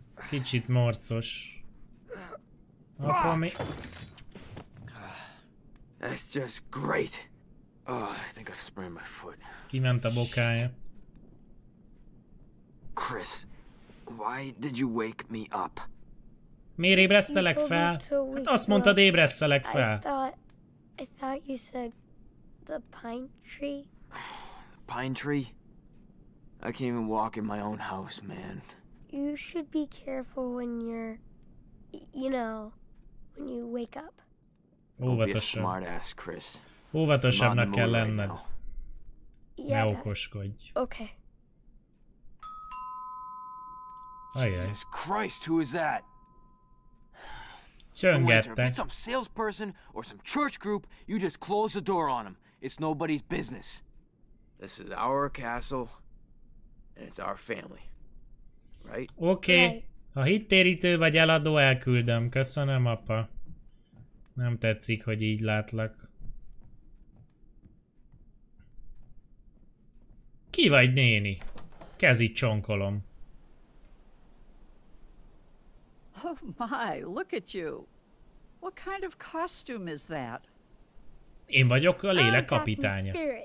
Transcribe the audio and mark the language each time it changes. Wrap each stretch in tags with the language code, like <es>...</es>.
<hu>Kicsit morcos. Apa, mi?</hu> <en>That's just great. Oh, I think I sprained my foot.</en> <hu>Kiment a bokája.</hu> <en>Chris, why did you wake me up?</en> <hu>Miért ébresztelek fel? Hát azt mondtad, ébresztelek fel.</hu> <en>I thought you said the pine tree. Pine tree? I can't even walk in my own house, man. You should be careful when you're, you know, when you wake up.</en> <hu>Óvatosabb.</hu> <en>Smartass, Chris.</en> <hu>Óvatosabbnak kell lenned. Ne okoskodj.</hu> <en>Okay.</en> <hu>Ajaj.</hu> <en>Jesus Christ, who is that?</en> <hu>Csöngettek.</hu> <en>It's some salesperson or some church group, you just close the door on him. It's nobody's business. This is our castle and it's our family. Right? Okay.</en> <hu>Ha hittérítő vagy eladó, elküldöm. Köszönöm, apa. Nem tetszik, hogy így látlak. Ki vagy, néni? Kezi csonkolom.</hu> <en>Oh my, look at you. What kind of costume is that?</en> <hu>Én vagyok a lélek kapitánya.</hu>